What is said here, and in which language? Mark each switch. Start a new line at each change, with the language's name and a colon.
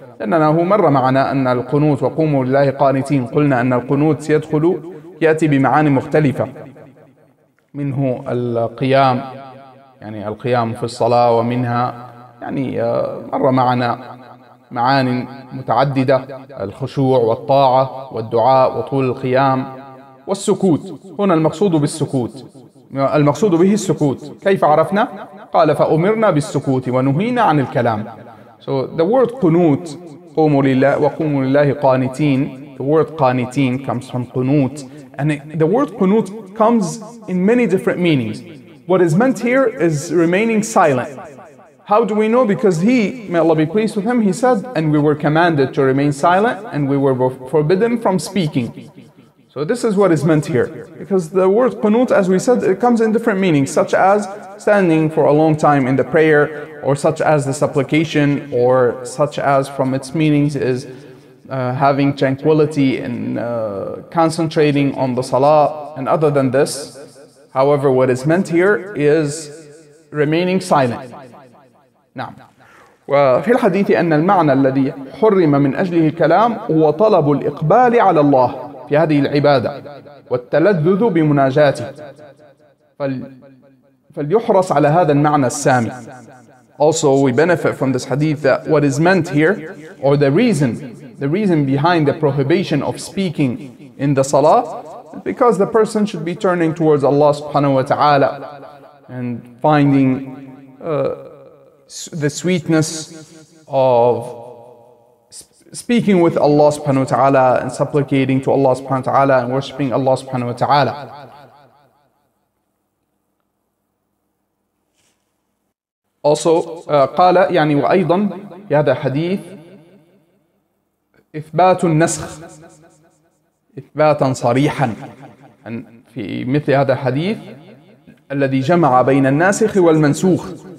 Arabic: لأننا هو مر معنا أن القنوت وقوموا لله قانتين، قلنا أن القنوت سيدخل يأتي بمعاني مختلفة، منه القيام القيام في الصلاة، ومنها مر معنا معاني متعددة، الخشوع والطاعة والدعاء وطول القيام والسكوت. هنا المقصود بالسكوت المقصود به السكوت. كيف عرفنا؟ قال فأمرنا بالسكوت ونهينا عن الكلام.
English: So the word
Arabic: قنوت, قوموا لله وقوموا لله قانتين.
English: The word قانتين comes from قنوت. And the word قنوت comes in many different meanings. What is meant here is remaining silent. How do we know? Because he, may Allah be pleased with him, he said, and we were commanded to remain silent and we were forbidden from speaking. So this is what is meant here. Because the word qunut, as we said, it comes in different meanings, such as standing for a long time in the prayer, or such as the supplication, or such as from its meanings is having tranquility and concentrating on the salah. And other than this, however, what is meant here is remaining silent.
Arabic: نعم. وفي الحديث أن المعنى الذي حرم من أجله الكلام هو طلب الإقبال على الله في هذه العبادة والتلذذ بمناجاته. فليحرص على هذا المعنى السامي.
English: Also, we benefit from this hadith that what is meant here, or the reason behind the prohibition of speaking in the salah, is because the person should be turning towards Allah subhanahu wa ta'ala and finding the sweetness of speaking with Allah subhanahu wa ta'ala and supplicating to Allah subhanahu wa ta'ala and worshipping Allah subhanahu wa ta'ala.
Arabic: Also, قال يعني وأيضا في هذا الحديث إثبات النسخ إثباتا صريحا. أن في مثل هذا الحديث الذي جمع بين الناسخ والمنسوخ.